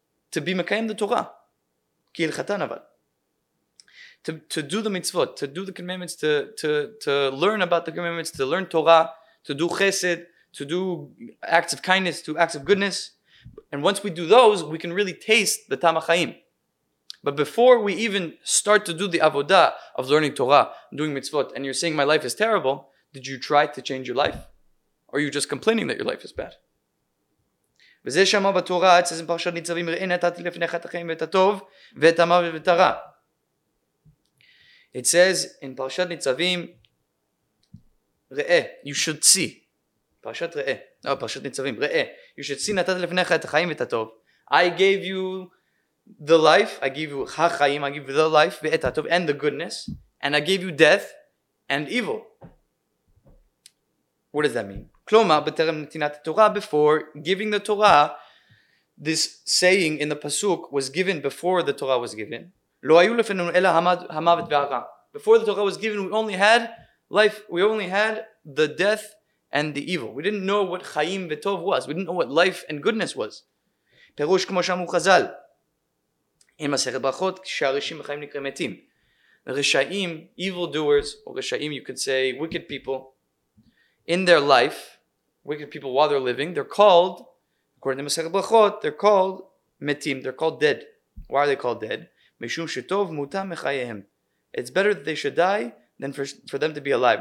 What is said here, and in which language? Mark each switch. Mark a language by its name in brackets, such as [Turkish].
[English] To be mekayim the Torah, ki ilchatan aval. To do the mitzvot, to do the commandments, to learn about the commandments, to learn Torah, to do chesed, to do acts of kindness, to acts of goodness. And once we do those, we can really taste the tam ha'chaim. But before we even start to do the avodah of learning Torah, doing mitzvot, and you're saying my life is terrible, did you try to change your life? Or are you just complaining that your life is bad? [Hebrew] וזה שמה בתורה, אצל זה פרשת ניצבים, ראה נתתי לפניך את החיים ואת הטוב, ואת המוות ואת הרע. [English] It says, in פרשת ניצבים, ראה, you should see. [Hebrew] פרשת ראה, לא, פרשת ניצבים, ראה. [English] You should see, [Hebrew] נתתי לפניך את החיים ואת הטוב. [English] I gave you the life, I gave you החיים, I gave you the life, [Hebrew] ואת הטוב, [English] and the goodness, and I gave you death and evil. What does that mean? [Hebrew] כלומר, בטרם נתינת התורה, [English] before giving the Torah, this saying in the Pasuk was given before the Torah was given. [Hebrew] לא היו לפנינו אלא המוות והרע. [English] Before the Torah was given, we only had life, we only had the death and the evil. We didn't know what [Hebrew] חיים וטוב [English] was. We didn't know what life and goodness was. [Hebrew] פירוש כמו שאמרו חז"ל, אין מסכת ברכות, כשהרשעים בחיים נקראים מתים. [English] רשעים, evil doers, or רשעים, you could say, wicked people, in their life, wicked people while they're living, they're called, according to מסכת ברכות, they're called מתים, they're called dead. Why are they called dead? [Hebrew] משום שטוב מותם מחייהם. [English] It's better that they should die than for them to be alive.